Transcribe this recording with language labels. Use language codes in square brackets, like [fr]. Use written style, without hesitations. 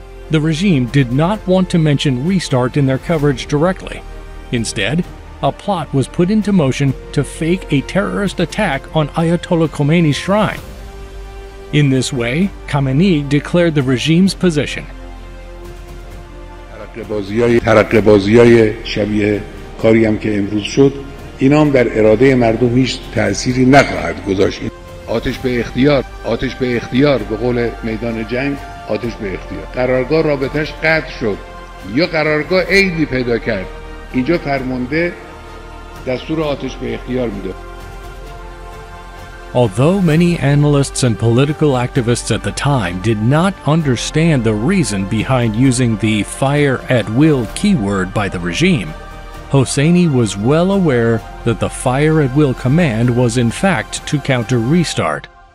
[en] The regime did not want to mention Restart in their coverage directly. Instead, a plot was put into motion to fake a terrorist attack on Ayatollah Khomeini's shrine. In this way, Khamenei declared the regime's position. [fa] ترقه‌بازی‌های شبیه کاری هم که امروز شد، اینا هم در اراده مردم هیچ تأثیری نخواهد گذاشت. آتش به اختیار، آتش به اختیار، به قول میدان جنگ. آتش به اختیار قرارگاه رابطش قطع شد یا قرارگاه عیدی پیدا کرد اینجا فرمانده دستور آتش به اختیار میده. [en] Although many analysts and political activists at the time did not understand the reason behind using the fire at will keyword by the regime, Hosseini was well aware that the fire at will command was in fact to counter Restart.